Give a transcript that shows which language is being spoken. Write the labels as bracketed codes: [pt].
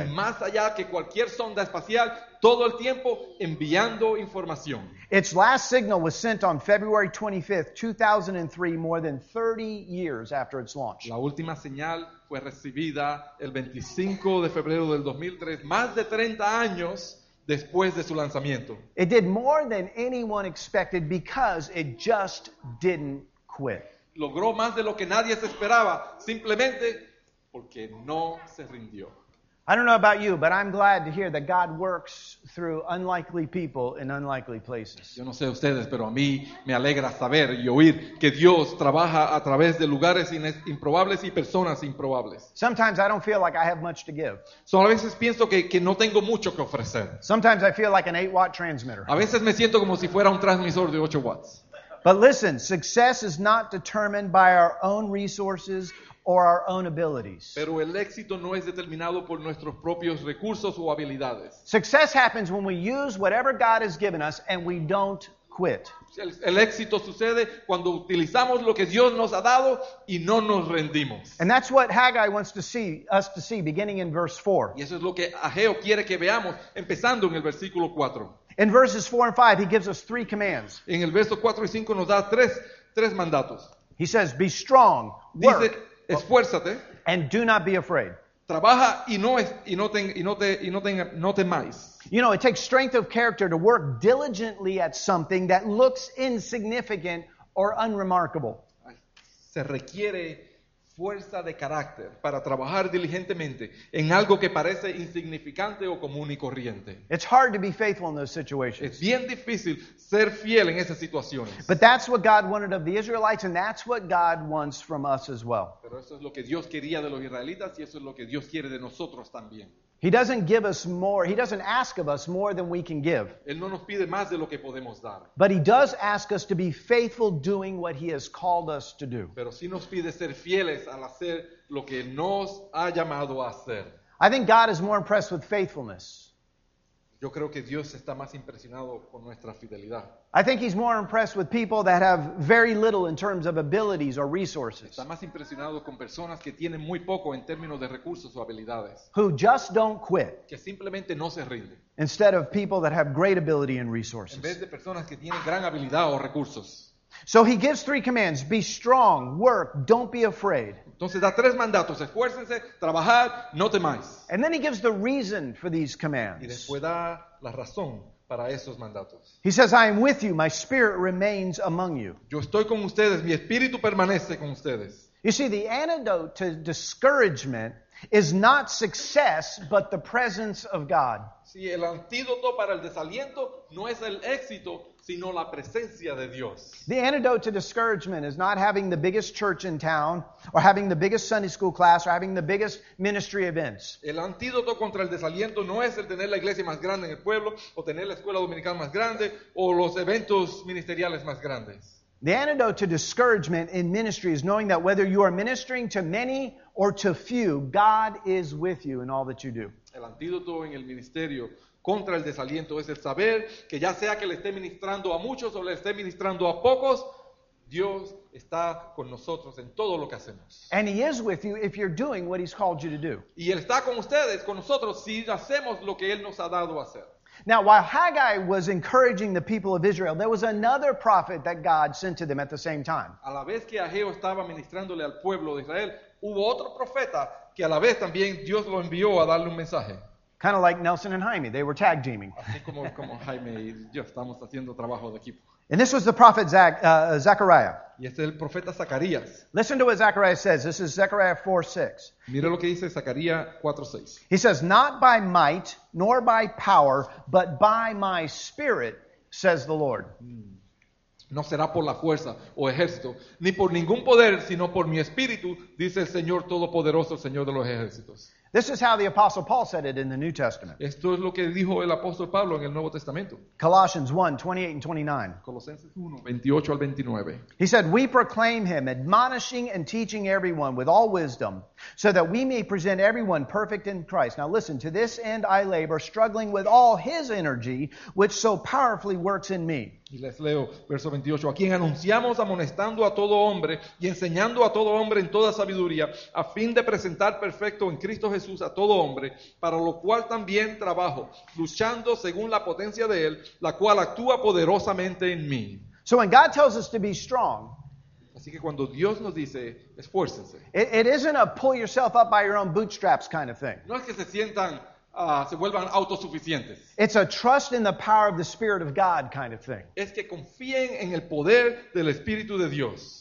[es] Y más allá que cualquier sonda espacial, todo el tiempo enviando información. [en] Its last signal was sent on February 25th, 2003, more than 30 years after its launch. [es] La última señal fue recibida el 25 de febrero del 2003, más de 30 años después de su lanzamiento. [en] It did more than anyone expected because it just didn't quit. [es] Logró más de lo que nadie se esperaba, simplemente porque no se rindió. [en] I don't know about you, but I'm glad to hear that God works through unlikely people in unlikely places. [es] Yo no sé ustedes, pero a mí me alegra saber y oír que Dios trabaja a través de lugares improbables y personas improbables. [en] Sometimes I don't feel like I have much to give. [es] Solo a veces pienso que no tengo mucho que ofrecer. [en] Sometimes I feel like an 8-watt transmitter. [es] A veces me siento como si fuera un transmisor de 8 watts. [en] But listen, success is not determined by our own resources or our own abilities. [es] Pero el éxito no es determinado por nuestros propios recursos o habilidades. [en] Success happens when we use whatever God has given us and we don't quit. [es] El éxito sucede cuando utilizamos lo que Dios nos ha dado y no nos rendimos. [en] And that's what Haggai wants to see us to see beginning in verse 4. [es] Y eso es lo que Ageo quiere que veamos empezando en el versículo 4. [en] In verses 4 and 5 he gives us three commands. [es] En el verso 4 y 5 nos da tres mandatos. [en] He says be strong, work. [es] Dice, esfuérzate. [en] And do not be afraid. [es] Trabaja y no temáis. [en] You know, it takes strength of character to work diligently at something that looks insignificant or unremarkable. [es] Se requiere fuerza de carácter para trabajar diligentemente en algo que parece insignificante o común y corriente. [en] It's hard to be faithful in those situations. [es] Es bien difícil ser fiel en esas situaciones. [en] But that's what God wanted of the Israelites, and that's what God wants from us as well. [es] Pero eso es lo que Dios quería de los israelitas y eso es lo que Dios quiere de nosotros también. [en] He doesn't give us more. He doesn't ask of us more than we can give. [es] Él no nos pide más de lo que podemos dar. [en] But he does ask us to be faithful doing what he has called us to do. [es] Pero sí nos pide ser fieles al hacer lo que nos ha llamado a hacer. [en] I think God is more impressed with faithfulness. [es] Yo creo que Dios está más impresionado con nuestra fidelidad. [en] I think he's more impressed with people that have very little in terms of abilities or resources. [es] Está más impresionado con personas que tienen muy poco en términos de recursos o habilidades. [en] Who just don't quit. [es] Que simplemente no se rinden. [en] Instead of people that have great ability and resources. [es] En vez de personas que tienen gran habilidad o recursos. [en] So he gives three commands. Be strong, work, don't be afraid. [es] Entonces da tres mandatos. Esfuércense, trabajad, no temáis. [en] And then he gives the reason for these commands. [es] Y después da la razón para esos mandatos. [en] He says, I am with you, my spirit remains among you. [es] Yo estoy con ustedes, mi espíritu permanece con ustedes. [en] You see, the antidote to discouragement is not success, but the presence of God. [es] Sí, el antídoto para el desaliento no es el éxito, sino la presencia de Dios. [en] The antidote to discouragement is not having the biggest church in town, or having the biggest Sunday school class, or having the biggest ministry events. [es] El antídoto contra el desaliento no es el tener la iglesia más grande en el pueblo, o tener la escuela dominical más grande, o los eventos ministeriales más grandes. [en] The antidote to discouragement in ministry is knowing that whether you are ministering to many or to few, God is with you in all that you do. [es] El antídoto en el ministerio contra el desaliento es el saber que ya sea que le esté ministrando a muchos o le esté ministrando a pocos, Dios está con nosotros en todo lo que hacemos. [en] And he is with you if you're doing what he's called you to do. [es] Y él está con ustedes, con nosotros, si hacemos lo que él nos ha dado a hacer. [en] Now, while Haggai was encouraging the people of Israel, there was another prophet that God sent to them at the same time. [es] A la vez que Ageo estaba ministrándole al pueblo de Israel, hubo otro profeta que a la vez también Dios lo envió a darle un mensaje. [en] Kind of like Nelson and Jaime, they were tag teaming. [es] Así como Jaime y yo estamos haciendo trabajo de equipo. [en] And this was the prophet Zechariah. [es] Y este es el profeta Zacarías. [en] Listen to what Zechariah says. This is Zechariah 4:6. [es] Mira lo que dice Zacarías 4:6. [en] He says, "Not by might nor by power, but by my spirit," says the Lord. [es] No será por la fuerza o ejército, ni por ningún poder, sino por mi espíritu, dice el Señor Todopoderoso, el Señor de los ejércitos. [en] This is how the Apostle Paul said it in the New Testament. [es] Esto es lo que dijo el apóstol Pablo en el Nuevo Testamento. [en] Colossians 1, 28 and 29. [es] Colosenses 1, 28 al 29. [en] He said, "We proclaim him, admonishing and teaching everyone with all wisdom, so that we may present everyone perfect in Christ. Now listen, to this end I labor, struggling with all his energy, which so powerfully works in me." [es] Y les leo verso 28. A quien anunciamos amonestando a todo hombre y enseñando a todo hombre en toda sabiduría, a fin de presentar perfecto en Cristo Jesús a todo hombre, para lo cual también trabajo, luchando según la potencia de Él, la cual actúa poderosamente en mí. [en] So when God tells us to be strong, [es] así que cuando Dios nos dice, esfuércense. [en] It isn't a pull yourself up by your own bootstraps kind of thing. [es] No es que se sientan... se vuelvan autosuficientes. [en] It's a trust in the power of the Spirit of God kind of thing. [es] Es que confíen en el poder del Espíritu de Dios.